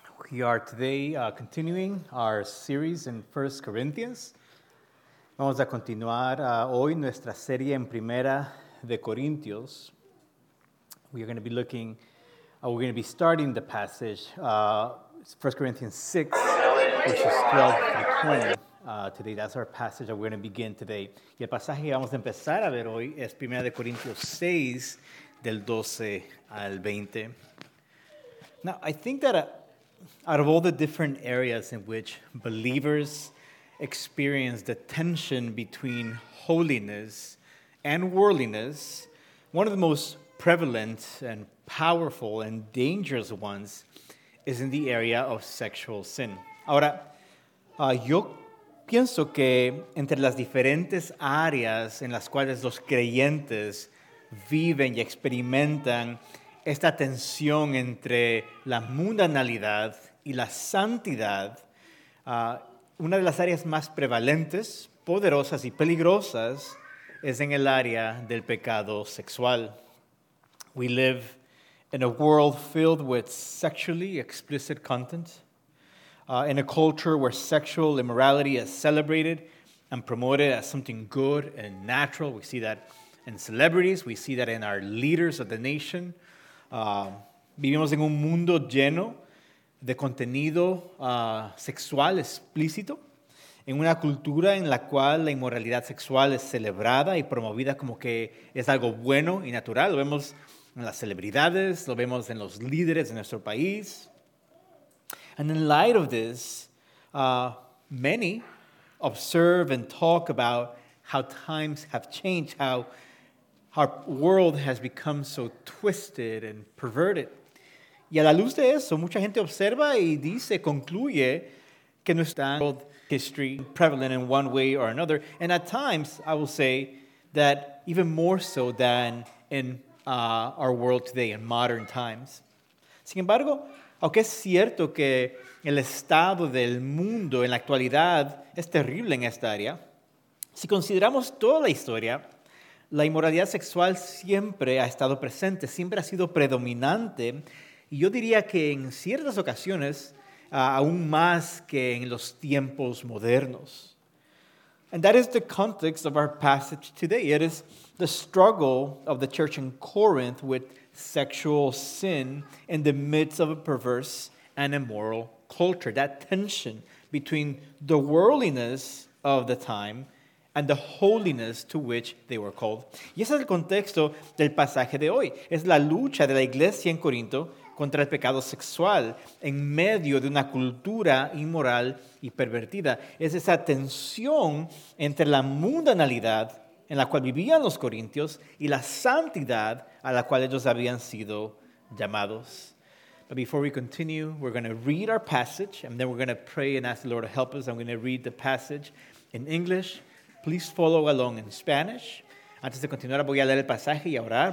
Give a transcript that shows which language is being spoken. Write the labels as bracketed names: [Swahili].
[English] We are today continuing our series in 1 Corinthians. [Spanish] Vamos a continuar hoy nuestra serie en Primera de Corintios. [English] We are going to be looking, we're going to be starting the passage, 1 Corinthians 6, verses 12 to 20. Today, that's our passage that we're going to begin today. [Spanish] Y el pasaje que vamos a empezar a ver hoy es Primera de Corintios 6, del 12 al 20. [English] Now, I think that out of all the different areas in which believers experience the tension between holiness and worldliness, one of the most prevalent and powerful and dangerous ones is in the area of sexual sin. [Spanish] Ahora, yo pienso que entre las diferentes áreas en las cuales los creyentes viven y experimentan esta tensión entre la mundanalidad y la santidad, una de las áreas más prevalentes, poderosas y peligrosas es en el área del pecado sexual. [English] We live in a world filled with sexually explicit content, in a culture where sexual immorality is celebrated and promoted as something good and natural. We see that in celebrities, we see that in our leaders of the nation. [Spanish] Vivimos en un mundo lleno de contenido sexual explícito, en una cultura en la cual la inmoralidad sexual es celebrada y promovida como que es algo bueno y natural. Lo vemos en las celebridades, lo vemos en los líderes de nuestro país. [English] And in light of this, many observe and talk about how times have changed, how our world has become so twisted and perverted. [Spanish] Y a la luz de eso, mucha gente observa y dice, concluye, que nuestra [English] world history is prevalent in one way or another. And at times, I will say that even more so than in our world today, in modern times. [Spanish] Sin embargo, aunque es cierto que el estado del mundo en la actualidad es terrible en esta área, si consideramos toda la historia, la inmoralidad sexual siempre ha estado presente, siempre ha sido predominante, y yo diría que en ciertas ocasiones, aún más que en los tiempos modernos. [English] And that is the context of our passage today. It is the struggle of the church in Corinth with sexual sin in the midst of a perverse and immoral culture. That tension between the worldliness of the time and the holiness to which they were called. [Spanish] Y ese es el contexto del pasaje de hoy. Es la lucha de la iglesia en Corinto contra el pecado sexual en medio de una cultura inmoral y pervertida. Es esa tensión entre la mundanalidad en la cual vivían los corintios y la santidad a la cual ellos habían sido llamados. [English] But before we continue, we're going to read our passage, and then we're going to pray and ask the Lord to help us. I'm going to read the passage in English. Please follow along in Spanish. [Spanish] Antes de continuar, voy a leer el pasaje y a orar.